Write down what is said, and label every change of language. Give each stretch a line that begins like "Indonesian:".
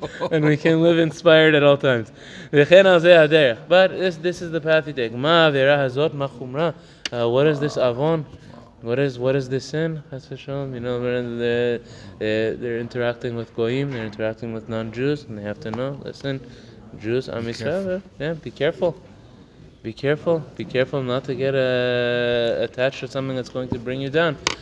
English: And we can live inspired at all times.
Hebrew: וכן זה הדרך.
English: But this is the path you take.
Hebrew: מה העבירה הזאת, מה חומרה?
English: What is this avon? What is this sin? Chas v'shalom, you know, they're interacting with goyim, they're interacting with non-Jews, and they have to know. Listen, Jews, Am Yisrael, yeah, be careful not to get attached to something that's going to bring you down.